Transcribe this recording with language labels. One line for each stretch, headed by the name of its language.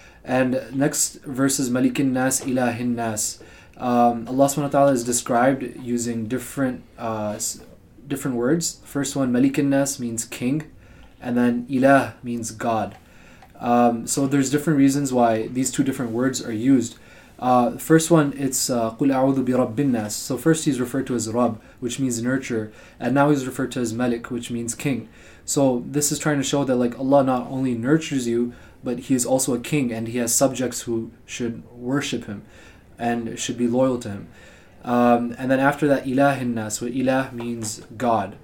English: And next verse is Malikin Nas Ilahin Nas. Allah subhanahu wa ta'ala is described using different words. First one, Malikin Nas, means king, and then Ilah means God. So there's different reasons why these two different words are used. First one, it's
Arabic: قُلْ أَعُوذُ بِرَبِّ النَّاسِ.
English: So first he's referred to as Rabb, which means nurture, and now he's referred to as Malik, which means king. So this is trying to show that like Allah not only nurtures you, but he is also a king, and he has subjects who should worship him and should be loyal to him. And then after that, ilahin nas. So ilah means God.